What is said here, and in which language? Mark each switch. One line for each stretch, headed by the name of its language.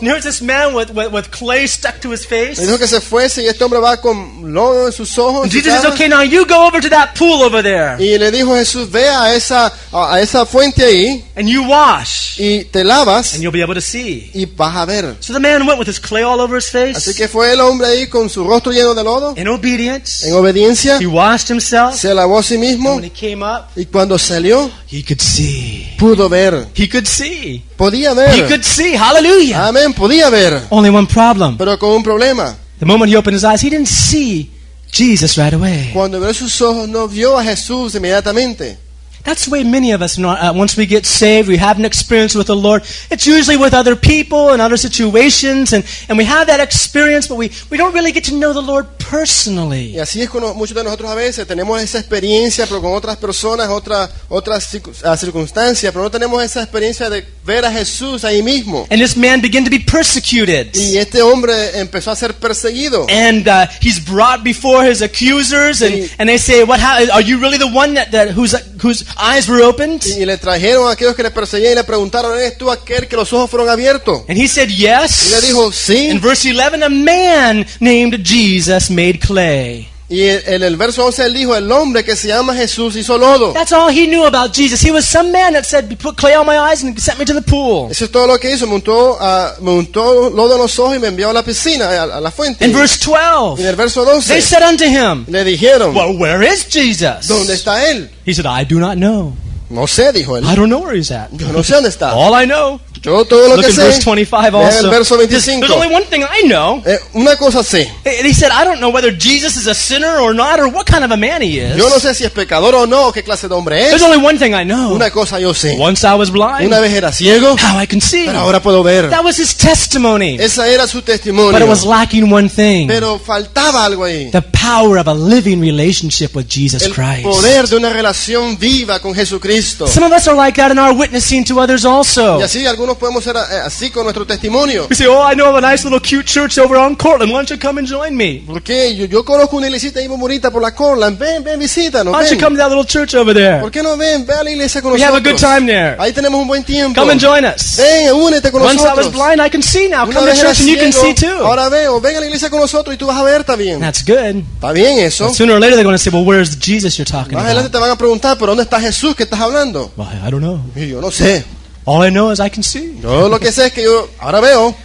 English: and here's this man with clay stuck to his face.
Spanish: Le dijo que se fuese y este hombre va con lodo en sus ojos.
English: And Jesus says, "Okay, now you go over to that pool over there."
Spanish: Y le dijo Jesús, ve a esa fuente ahí.
English: And you wash.
Spanish: Y te lavas.
English: And you'll be able to see.
Spanish: Y vas a ver.
English: So the man went with his clay all over his face.
Spanish: Así que fue el hombre ahí con su rostro lleno de lodo.
English: In obedience.
Spanish: En obediencia.
English: He washed himself.
Spanish: Se lavó a sí mismo.
English: And when he came up.
Spanish: Y cuando salió.
English: He could see.
Spanish: Pudo ver.
English: He could see.
Spanish: Podía ver.
English: He could see. Hallelujah.
Spanish: Amen. Podía ver.
English: Only one problem.
Spanish: Pero con un problema.
English: The moment he opened his eyes, he didn't see Jesus right away.
Spanish: Cuando abrió sus ojos, no vio a Jesús inmediatamente.
English: That's the way many of us, once we get saved, we have an experience with the Lord. It's usually with other people and other situations, and we have that experience, but we don't really get to know the Lord personally.
Spanish: Y así es con muchos de nosotros a veces. Tenemos esa experiencia, pero con otras personas, otras circunstancias, pero no tenemos esa experiencia de ver a Jesús ahí mismo.
English: And this man began to be persecuted.
Spanish: Y este hombre empezó a ser perseguido.
English: And he's brought before his accusers, and they say, are you really the one who's eyes were opened?
Spanish: Y le trajeron a aquellos que le perseguían y le preguntaron, ¿eres tú aquel que los ojos fueron abiertos?
English: And he said yes.
Spanish: Y le dijo sí.
English: In verse 11, a man named Jesus made clay.
Spanish: Y en el verso 11 él dijo, el hombre que se llama Jesús hizo lodo.
English: That's all he knew about Jesus. He was some man that said, put clay on my eyes and sent me to the pool.
Spanish: Eso es todo lo que hizo. Montó lodo en los ojos y me envió a la piscina, a la fuente.
English: In verse 12.
Spanish: Y en el verso 12.
English: They said unto him.
Spanish: Le dijeron.
English: Well, where is Jesus?
Spanish: ¿Dónde está él?
English: He said, I do not know.
Spanish: No sé, dijo él.
English: I don't know where he's at.
Spanish: Yo no sé dónde está.
English: All I know.
Spanish: Yo todo lo
English: look
Spanish: que
English: in
Spanish: sé.
English: Verse 25 also.
Spanish: El verso 25.
English: There's only one thing I know.
Spanish: Una cosa sé.
English: And he said, I don't know whether Jesus is a sinner or not, or what kind of a man he is.
Spanish: Yo no sé si es pecador o no, o qué clase de hombre es.
English: There's only one thing I know.
Spanish: Una cosa yo sé.
English: Once I was blind.
Spanish: Una vez era ciego.
English: Now I can see.
Spanish: Pero ahora puedo ver.
English: That was his testimony.
Spanish: Esa era su testimonio.
English: But it was lacking one thing.
Spanish: Pero faltaba algo ahí.
English: The power of a living relationship with Jesus Christ.
Spanish: El poder de una relación viva con Jesucristo.
English: Some of us are like that in our witnessing to others also.
Spanish: Y así algunos podemos ser así con nuestro testimonio.
English: We say, I know of a nice little cute church over on Cortland. Why don't you come and join me?
Spanish: Porque yo conozco una iglesita ahí muy bonita por la Cortland. Ven, visítanos.
English: Why don't you come to that little church over there?
Spanish: ¿Por qué no ven? Ve a la iglesia con nosotros.
English: We have a good time there.
Spanish: Ahí tenemos un buen tiempo.
English: Come and join us.
Spanish: Ven, únete con nosotros.
English: Once I was blind, I can see now. Come to church and you can see too.
Spanish: Ahora veo. Ven a la iglesia con nosotros y tú vas a ver también.
English: That's good.
Spanish: Está bien eso.
English: But sooner or later they're going to say, well, where's Jesus you're talking about?
Spanish: Más adelante te van a preguntar, pero ¿dónde está Jesús que estás hablando?
English: Well, I don't know.
Spanish: Yo no sé.
English: All I know is I can see.
Spanish: Yo lo que sé es que yo ahora veo.